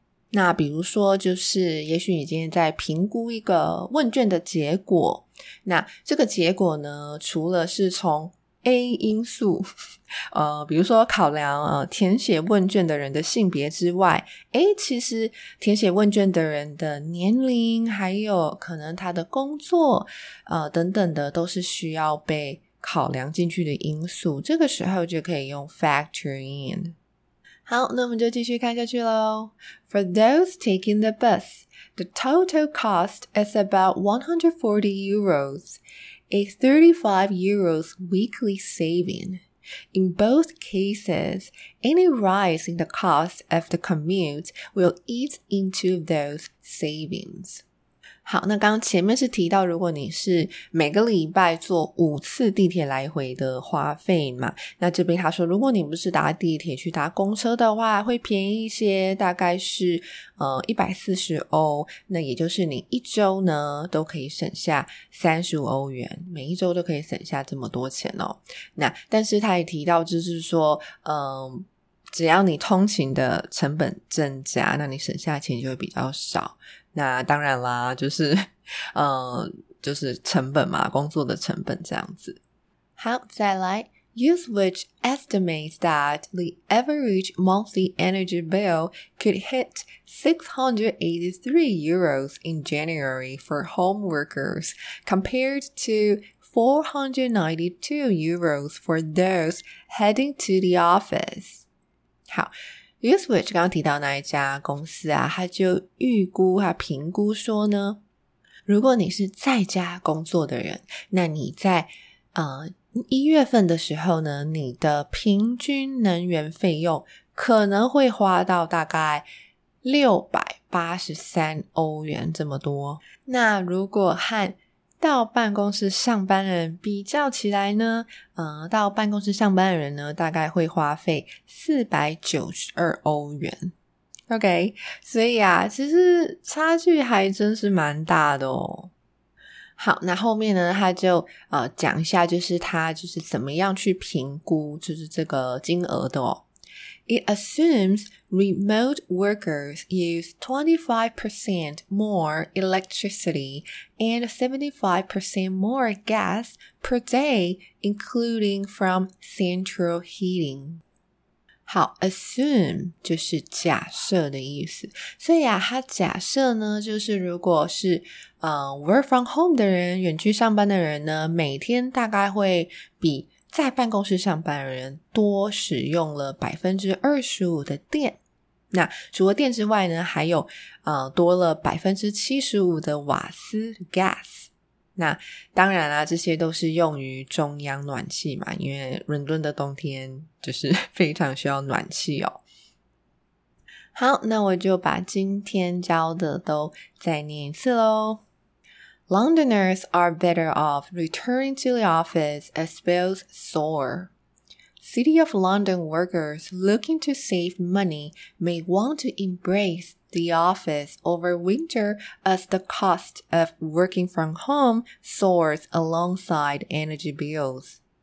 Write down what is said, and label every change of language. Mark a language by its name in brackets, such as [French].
[Chinese] 那比如说就是也许你今天在评估一个问卷的结果，那这个结果呢除了是从 A 因素比如说考量填写问卷的人的性别之外，其实填写问卷的人的年龄还有可能他的工作等等的都是需要被考量进去的因素，这个时候就可以用 factor in。好，那我们就继续看下去咯。 [English] For those taking the bus, the total cost is about 140 euros, a 35 euros weekly saving. In both cases, any rise in the cost of the commute will eat into those savings. [Chinese] 好，那刚刚前面是提到如果你是每个礼拜坐五次地铁来回的花费嘛，那这边他说如果你不是搭地铁去搭公车的话会便宜一些，大概是140欧，那也就是你一周呢都可以省下35欧元，每一周都可以省下这么多钱哦。那但是他也提到就是说只要你通勤的成本增加，那你省下钱就会比较少。那当然啦，就是就是成本嘛，工作的成本这样子。好，再来。 [English] Usewitch estimates that the average monthly energy bill could hit 683 euros in January for home workers, compared to 492 euros for those heading to the office. [Chinese] 好， Usewitch 刚提到那一家公司啊，他就预估他评估说呢，如果你是在家工作的人，那你在一月份的时候呢，你的平均能源费用可能会花到大概683欧元这么多。那如果和到办公室上班的人比较起来呢，到办公室上班的人呢，大概会花费492欧元。 OK， 所以啊，其实差距还真是蛮大的哦。好，那后面呢他就讲一下，就是他就是怎么样去评估就是这个金额的哦。 [English] It assumes remote workers use 25% more electricity and 75% more gas per day, including from central heating. [Chinese] 好， assume 就是假设的意思。所以啊，他假设呢，就是如果是 [English] work from home [Chinese] 的人，远距上班的人呢，每天大概会比在办公室上班的人多使用了 25% 的电。那除了电之外呢，还有多了 75% 的瓦斯 gas。那当然啦，这些都是用于中央暖气嘛，因为伦敦的冬天就是非常需要暖气哦。好，那我就把今天教的都再念一次咯。 [English] Londoners are better off returning to the office as bills soar. City of London workers looking to save money may want to embrace the office over winter as the cost of working from home soars alongside energy bills.